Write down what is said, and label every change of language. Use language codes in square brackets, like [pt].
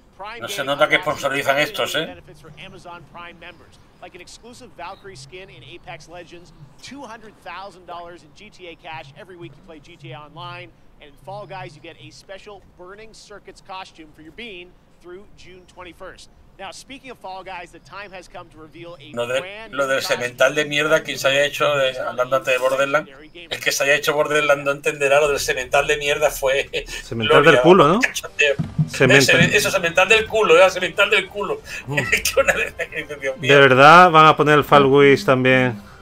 [es] Prime. No se nota que sponsorizan estos, ¿eh? [en] Benefits for Amazon Prime members, like an exclusive Valkyrie skin in Apex Legends, $200,000 in GTA cash every week you play GTA Online, and in Fall Guys you get a special Burning Circuits costume for your bean through June 21st. Now, speaking of Fall Guys, the time has come to reveal a [es] lo, de, lo del semental de mierda, quien se haya hecho hablando antes de Borderland, el que se haya hecho Borderland no entenderá lo del semental de mierda fue... Semental del culo, ¿no? Eso, semental del culo, era semental del culo. De verdad, van a poner el Fall Guys también.